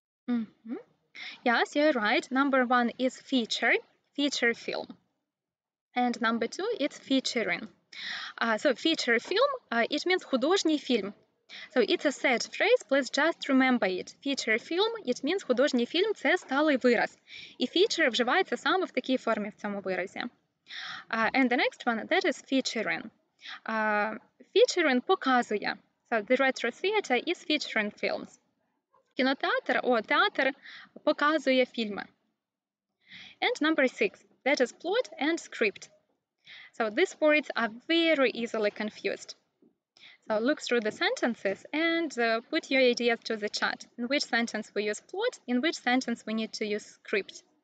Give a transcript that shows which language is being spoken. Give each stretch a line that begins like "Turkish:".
English: Mm-hmm. Yes, you're right. Number one is feature film. And number two, it's featuring. So, feature film, it means
Ukrainian: художній фільм.
English: So it's a sad phrase, please just remember it. Feature film, it means
Ukrainian: художній фільм, це сталий вираз. І feature вживається саме в такій формі в цьому виразі.
English: And the next one, that is featuring. Featuring показує. So the retro theater is featuring films.
Ukrainian: Кінотеатр, театр показує фільми.
English: And number six, that is plot and script. So these words are very easily confused. So look through the sentences and put your ideas to the chat. In which sentence we use plot, in which sentence we need to use script.